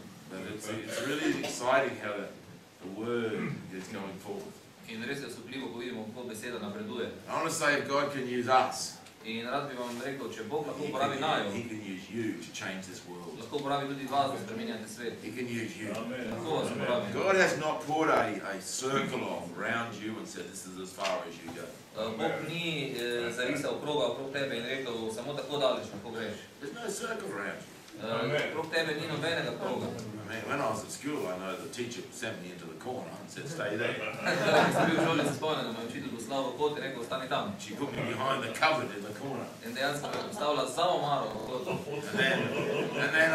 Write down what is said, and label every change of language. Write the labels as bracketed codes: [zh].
[en] But it's really exciting how the word is going forth. [sl] In res je osupljivo, ko vidimo, kako beseda napreduje. [en] I want to say if God can use us. [sl] In rad bi vam rekel, če Bog lahko uporabi naju, [en] he can use you to change this world. [sl] Lahko uporabi tudi vas, da spreminjate svet. [en] He can use you. [sl] Lahko vas uporabi. [en] God has not put a circle around you and said, this is as far as you go. [sl] Bog ni zarisal kroga okrog tebe in rekel, samo tako daleč lahko greš. [en] There's no circle around you. [sl] Okrog tebe ni nobenega kroga. [en] When I was at school, I know the teacher sent me into the corner and said, stay there. She put me behind the cupboard in the corner. And then